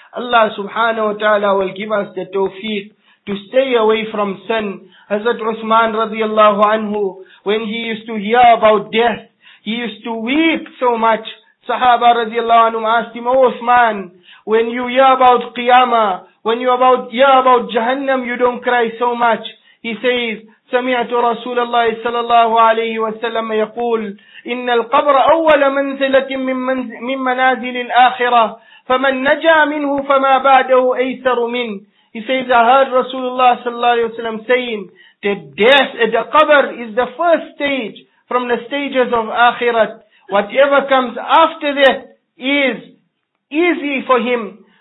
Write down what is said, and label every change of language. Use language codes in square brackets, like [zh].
[en] Allah subhanahu wa ta'ala will give us the tawfiq to stay away from sin. Hazrat Uthman radiallahu anhu, when he used to hear about death, he used to weep so much. Sahaba radiallahu anhu asked him, O Uthman, when you hear about qiyamah, when you hear about jahannam, you don't cry so much. He says, [ar] سمعت رسول الله صلى الله عليه وسلم يقول إن القبر أول منزلة من منازل الآخرة فمن نجا منه فما بعده أيسر منه. [en] He says, I heard Rasulullah [ar] صلى الله عليه وسلم [en] saying that death, the qabr is the first stage from the stages of akhirat. Whatever comes after that is easy for him.